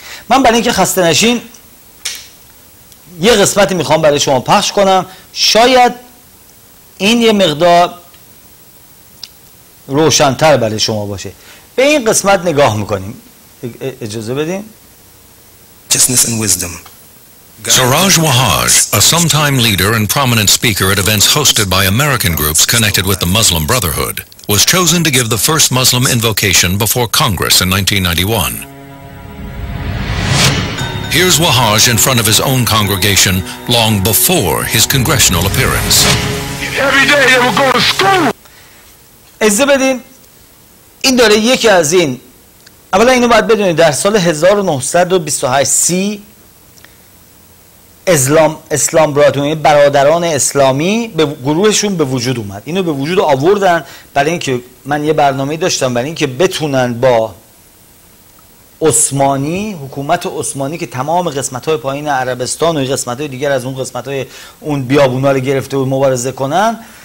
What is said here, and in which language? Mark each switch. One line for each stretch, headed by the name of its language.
Persian: من برای اینکه خسته نشین یه قسمتی میخوام برای شما پخش کنم، شاید این یه مقدار روشن‌تر برای شما باشه. به این قسمت نگاه میکنیم، اجازه بدیم.
English: Justness and wisdom. Siraj Wahaj, a sometime leader and prominent speaker at events hosted by American groups connected with the Muslim Brotherhood, was chosen to give the first Muslim invocation before Congress in 1991. Here's Wahaj in front of his own congregation long before his congressional appearance. Every day they will go to school.
Persian: اجازه بدین این داره یکی از این، اولا اینو باید بدونید در سال 1928 اسلام برادرمی، برادران اسلامی به گروهشون به وجود اومد. اینو به وجود آوردن برای اینکه من یه برنامه داشتم برای اینکه بتونن با عثمانی، حکومت عثمانی که تمام قسمت‌های پایین عربستان و قسمت‌های دیگر از اون قسمت‌های اون بیابون‌ها رو گرفته و مبارزه کنن،